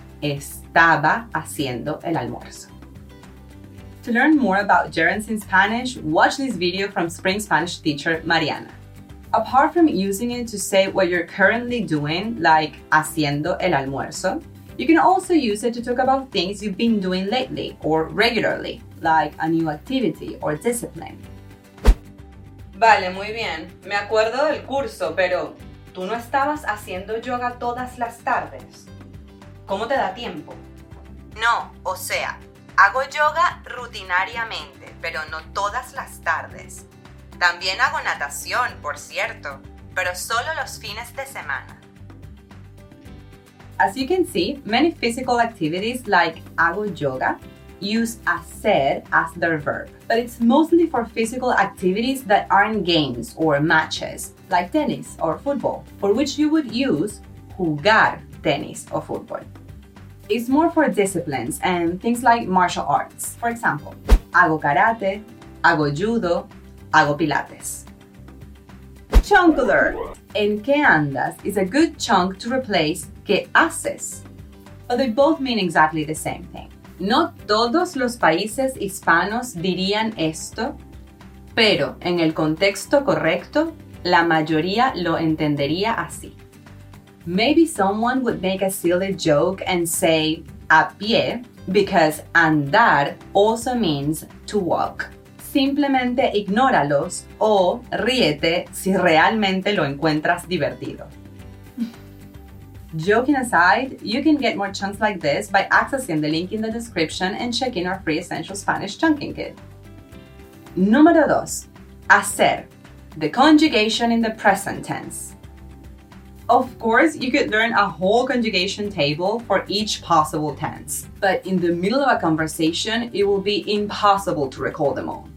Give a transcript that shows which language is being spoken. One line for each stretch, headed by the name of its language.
Spanish: Estaba haciendo el almuerzo.
English: To learn more about gerunds in Spanish, watch this video from Spring Spanish teacher Mariana. Apart from using it to say what you're currently doing, like
Spanish: haciendo el almuerzo,
English: you can also use it to talk about things you've been doing lately or regularly, like a new activity or discipline.
Spanish: Vale, muy bien. Me acuerdo del curso, pero ¿tú no estabas haciendo yoga todas las tardes? ¿Cómo te da tiempo? No, o sea, hago yoga rutinariamente, pero no todas las tardes. También hago natación, por cierto, pero solo los fines de semana.
English: As you can see, many physical activities like
Spanish: hago yoga
English: use hacer as their verb, but it's mostly for physical activities that aren't games or matches, like tennis or football, for which you would use jugar tennis or football. It's more for disciplines and things like martial arts. For example,
Spanish: hago karate, hago judo, hago pilates.
English: Chunk alert!
Spanish: En qué andas
English: is a good chunk to replace
Spanish: qué haces.
English: But they both mean exactly the same thing.
Spanish: No todos los países hispanos dirían esto, pero en el contexto correcto, la mayoría lo entendería así.
English: Maybe someone would make a silly joke and say a pie, because andar also means to walk.
Spanish: Simplemente ignóralos o ríete si realmente lo encuentras divertido.
English: Joking aside, you can get more chunks like this by accessing the link in the description and checking our free essential Spanish chunking kit.
Spanish: Número 2. Hacer.
English: The conjugation in the present tense. Of course, you could learn a whole conjugation table for each possible tense, but in the middle of a conversation, it will be impossible to recall them all.